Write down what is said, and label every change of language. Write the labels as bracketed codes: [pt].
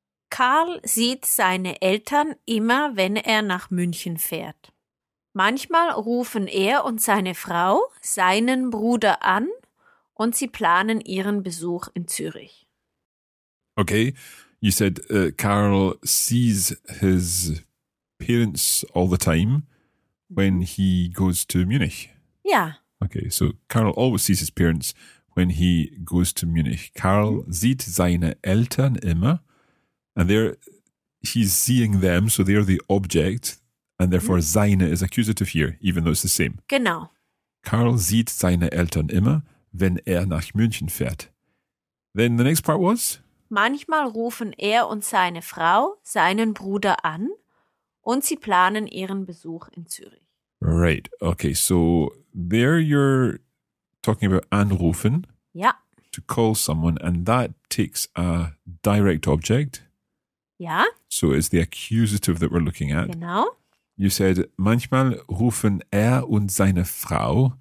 [de] Karl sieht seine Eltern immer, wenn er nach München fährt. Manchmal rufen er und seine Frau seinen Bruder an und sie planen ihren Besuch in Zürich. [en] Okay, you said Karl sees his parents all the time when he goes to Munich. Yeah. Okay, so Karl always sees his parents when he goes to Munich. [de] Karl sieht seine Eltern immer. [en] And there, he's seeing them, so they're the object, and therefore seine is accusative here, even though it's the same. [de] Genau. Karl sieht seine Eltern immer, wenn nach München fährt. [en] Then the next part was? [de] Manchmal rufen und seine Frau seinen Bruder an, und sie planen ihren Besuch in Zürich. [en] Right, okay, so there you're talking about anrufen. Yeah. To call someone, and that takes a direct object. Yeah. So it's the accusative that we're looking at. [de] Genau. [en] You said, [de] manchmal rufen und seine Frau.